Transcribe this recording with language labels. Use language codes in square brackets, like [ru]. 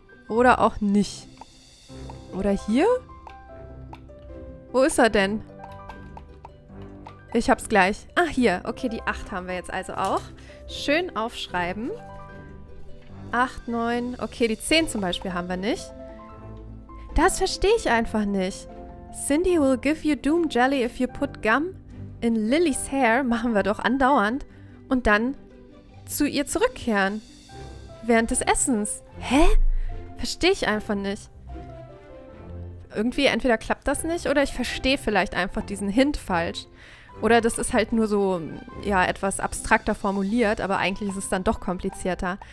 [de] Oder auch nicht. Oder hier? Wo ist er denn? Ich hab's gleich. Ah, hier. Okay, die 8 haben wir jetzt also auch. Schön aufschreiben. 8, 9. Okay, die 10 zum Beispiel haben wir nicht. Das verstehe ich einfach nicht. [en] Cindy will give you doom jelly if you put gum in Lily's hair. [de] Machen wir doch andauernd. Und dann zu ihr zurückkehren. Während des Essens. Hä? Verstehe ich einfach nicht. Irgendwie entweder klappt das nicht oder ich verstehe vielleicht einfach diesen Hint falsch. Oder das ist halt nur so, ja, etwas abstrakter formuliert, aber eigentlich ist es dann doch komplizierter.